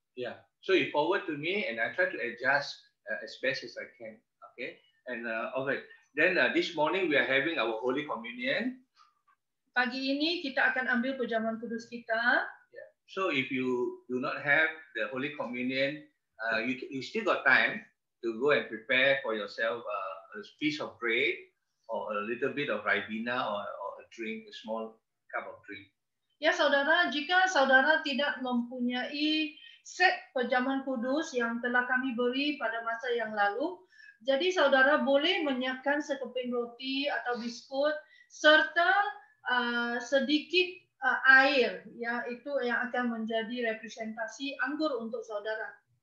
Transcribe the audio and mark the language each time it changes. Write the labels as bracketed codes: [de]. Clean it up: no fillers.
[en] Yeah, so you forward to me and I try to adjust as best as I can, okay? And okay. Then this morning we are having our Holy Communion. [ms] Pagi ini kita akan ambil perjamuan kudus kita. [en] Yeah. So if you do not have the Holy Communion, you still got time to go and prepare for yourself a piece of bread or a little bit of ribena or a drink, a small cup of drink. [ms] Ya, saudara, jika saudara tidak mempunyai set perjamuan kudus yang telah kami beri pada masa yang lalu, jadi saudara boleh menyiapkan sekeping roti atau biskuit serta sedikit air, ya, itu yang akan menjadi representasi anggur untuk saudara.